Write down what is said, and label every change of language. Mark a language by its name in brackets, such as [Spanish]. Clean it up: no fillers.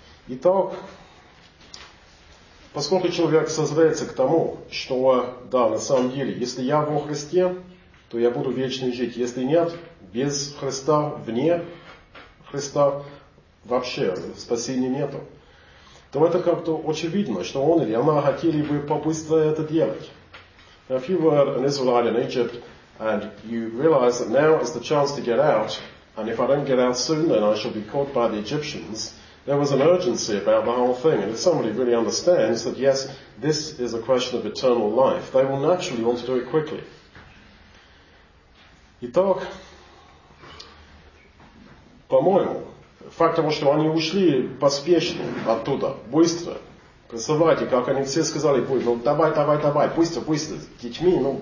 [Russian] Итак, поскольку человек созреется к тому, что, да, на самом деле, если я во Христе, то я буду вечно жить. Если нет, без Христа, вне Христа, вообще спасения нету. То это как-то очевидно, что он или она хотели бы побыстрее это делать. [English] Now, if you were an Israelite in Egypt and you realize that now is the chance to get out, and if I don't get out soon, then I shall be caught by the Egyptians, there was an urgency about the whole thing. And if somebody really understands that, yes, this is a question of eternal life, they will naturally want to do it quickly. [Russian] Итак, по-моему, факт того, что они ушли поспешно оттуда, быстро, представляете, как они все сказали, давай, быстро, с детьми.